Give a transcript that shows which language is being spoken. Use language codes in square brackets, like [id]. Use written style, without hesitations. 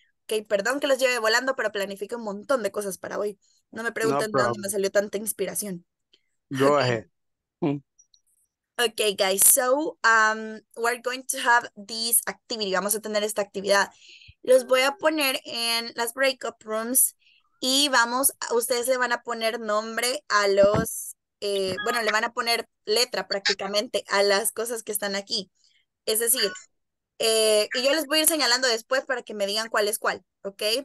[es] Okay, perdón que los lleve volando, pero planifico un montón de cosas para hoy. No me pregunten dónde me salió tanta inspiración. [en] Go ahead. Okay, guys, so we're going to have this activity. [es] Vamos a tener esta actividad. Los voy a poner en las breakup rooms y vamos, ustedes le van a poner nombre a los, bueno, le van a poner letra prácticamente a las cosas que están aquí. Es decir, y yo les voy a ir señalando después para que me digan cuál es cuál, ¿ok?